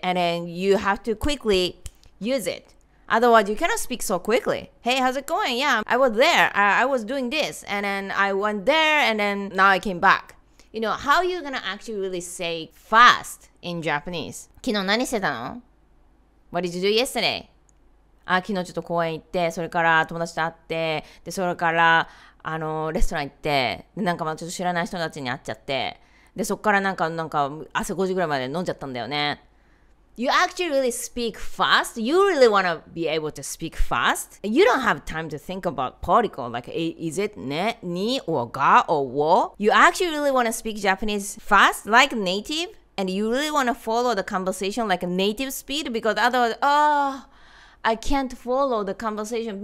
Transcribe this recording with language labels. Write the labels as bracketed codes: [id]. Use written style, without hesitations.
[en] And then you have to quickly use it. Otherwise, you cannot speak so quickly. Hey, how's it going? Yeah, I was there. I was doing this. And then I went there. And then now I came back. You know, how are you going to actually really say fast in Japanese? [ja] 昨日何してたの? [en] What did you do yesterday? [ja] 昨日ちょっと公園行って、それから友達と会って、で、それからレストラン行って、で、なんかまあちょっと知らない人たちに会っちゃって、で、そこからなんか朝5時ぐらいまで飲んじゃったんだよね。 [en] You actually really speak fast. You really want to be able to speak fast. You don't have time to think about particle. Like, is it ne, ni, or ga, or wo? You actually really want to speak Japanese fast, like native. And you really want to follow the conversation like native speed. Because otherwise, oh, I can't follow the conversation.